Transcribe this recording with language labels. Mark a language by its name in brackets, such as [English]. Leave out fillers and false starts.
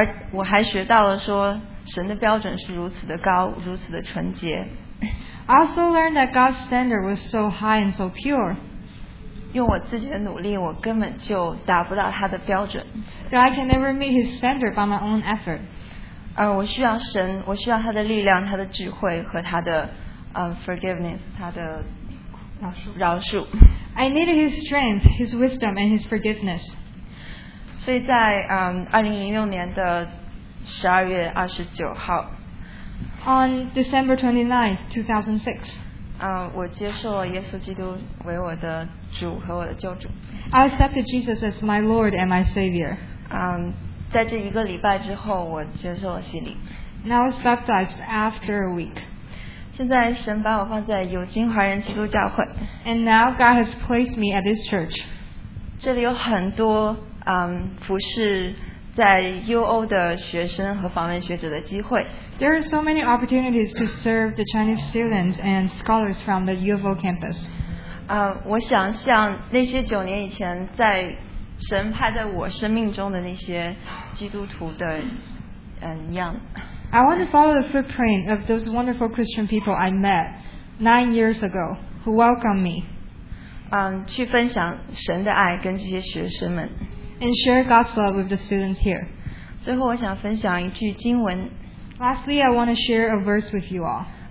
[Chinese] 我还学到了说，神的标准是如此的高，如此的纯洁。 [English] I also learned that God's standard was so high and so pure. [Chinese] 用我自己的努力，我根本就达不到他的标准。 [English] So I can never meet his standard by my own effort. [Chinese] 我需要神，我需要他的力量，他的智慧和他的forgiveness， 他的饶恕。 [English] I needed his strength, his wisdom, and his forgiveness. [Chinese] 所以在2006年的12月29号 [English] ，On December 29th, 2006。 [Chinese] 我接受了耶稣基督为我的主和我的救主。 [English] I accepted Jesus as my Lord and my Savior. [Chinese] 在这一个礼拜之后，我接受了洗礼。 [English] And I was baptized after a week. [Chinese] 现在神把我放在有金华人基督教会。 [English] And now God has placed me at this church. [Chinese] 这里有很多服侍在 UO 的学生和访问学者的机会。 [English] There are so many opportunities to serve the Chinese students and scholars from the U of O campus. [Chinese] 我想像那些九年以前在神派在我生命中的那些基督徒的一样。 [English] I want to follow the footprint of those wonderful Christian people I met 9 years ago who welcomed me. [Chinese] 去分享神的爱跟这些学生们。 [English] And share God's love with the students here. [Chinese] 最后我想分享一句经文。 [English] Lastly, I want to share a verse with you all.